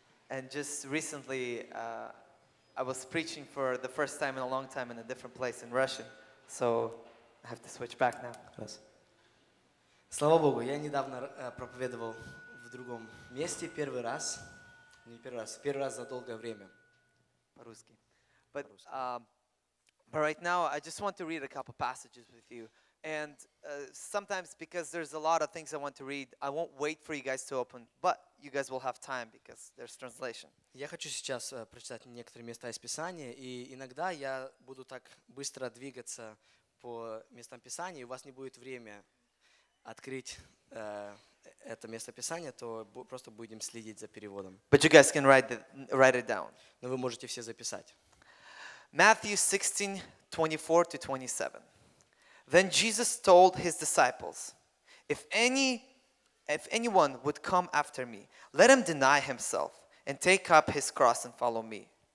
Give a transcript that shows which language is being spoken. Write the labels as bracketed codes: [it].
[en] And just recently, I was preaching for the first time in a long time in a different place in Russian. So I have to switch back now. [ru] Слава Богу, я недавно проповедовал в другом месте первый раз. Не первый раз, первый раз за долгое время. По-русски. [en] But right now, I just want to read a couple passages with you. And sometimes, because there's a lot of things I want to read, I won't wait for you guys to open, but you guys will have time because there's translation. [ru] Я хочу сейчас прочитать некоторые места из Писания, и иногда я буду так быстро двигаться по местам Писания, и у вас не будет время открыть это место Писания, то просто будем следить за переводом. [en] But you guys can write it down. [ru] Но вы можете все записать. [en] Matthew 16:24-27. Then Jesus told his disciples, If anyone would come after me, let him deny himself and take up his cross and follow me.